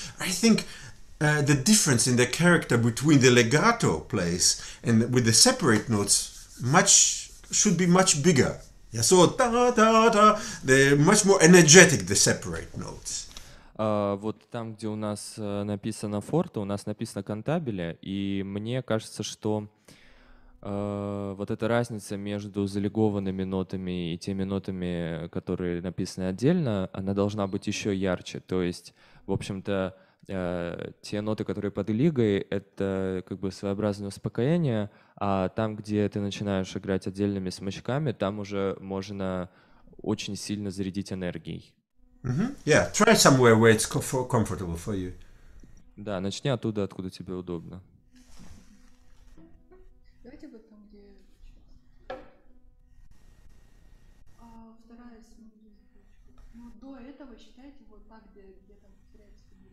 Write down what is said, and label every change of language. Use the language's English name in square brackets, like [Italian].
[English] I think the difference in the character between the legato plays and with the separate notes should be much bigger. Yeah, so, they're much more energetic, the separate notes. [Russian] Вот там, где у нас написано форте, у нас написано кантабиле, и мне кажется, что вот эта разница между залигованными нотами и теми нотами, которые написаны отдельно, она должна быть еще ярче. То есть, в общем-то, те ноты, которые под лигой, это как бы своеобразное успокоение, а там, где ты начинаешь играть отдельными смычками, там уже можно очень сильно зарядить энергией. Mm-hmm. [English] Yeah, try somewhere where it's comfortable for you. [Russian] Да, начни оттуда, откуда тебе удобно. Давайте вот там, где... вторая смычка. Ну, до этого считайте вот так, где там теряется.